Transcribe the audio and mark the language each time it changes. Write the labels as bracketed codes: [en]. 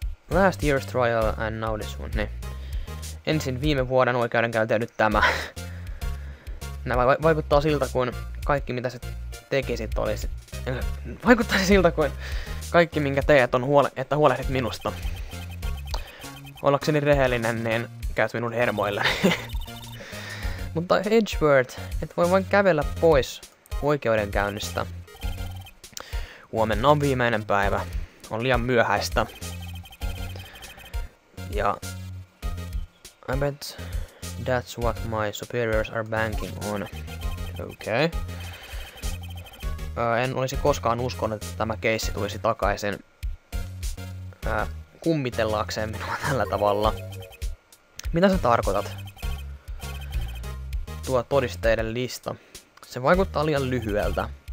[en] Last year's trial and now this one. [fi] Niin. Ensin viime vuoden oikeudenkäynti ja nyt tämä. Nämä vaikuttaa siltä, kuin kaikki mitä sä tekisit olisi. Vaikuttaisi siltä, kuin kaikki minkä teet on että huolehdit minusta. Ollakseni rehellinen, niin käyt minun hermoilleni. Mutta Edgeworth, et voi vain kävellä pois oikeudenkäynnistä. Huomenna on viimeinen päivä. On liian myöhäistä. [en] Ja I bet that's what my superiors are banking on. Okay. [fi] En olisi koskaan uskonut, että tämä keissi tulisi takaisin kummitellakseen minua tällä tavalla. Mitä sä tarkoitat? Tuo todisteiden lista. Se vaikuttaa liian lyhyeltä.